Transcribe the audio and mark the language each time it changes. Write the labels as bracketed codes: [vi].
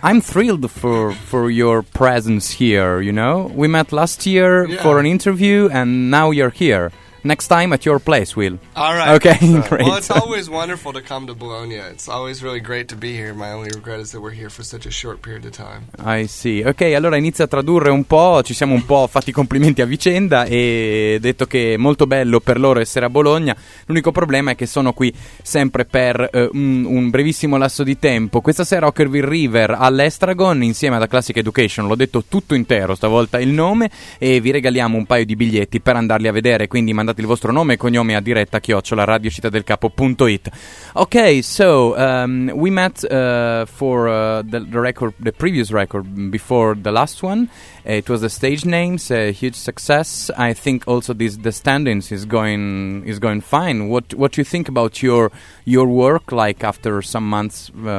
[en] I'm thrilled for your presence here, you know? We met last year for an interview, and now you're here. Next time at your place, Will. All right. Okay, great. Well, it's always wonderful to come to Bologna. It's always really great to be here. My only regret is that we're here for such a short period of time. I see. [it] Ok, allora inizia a tradurre un po'. Ci siamo un po' fatti complimenti a vicenda e detto che è molto bello per loro essere a Bologna. L'unico problema è che sono qui sempre per un brevissimo lasso di tempo. Questa sera Okreville River all'Estragon insieme alla Classic Education. L'ho detto tutto intero stavolta il nome e vi regaliamo un paio di biglietti per andarli a vedere. Quindi mandate il vostro nome e cognome a diretta chiocciola radiocittadelcapo.it. [en] Okay, so we met for the previous record before the last one. It was the stage names, a huge success. I think also the standings is going fine. What you think about your work, like after some months?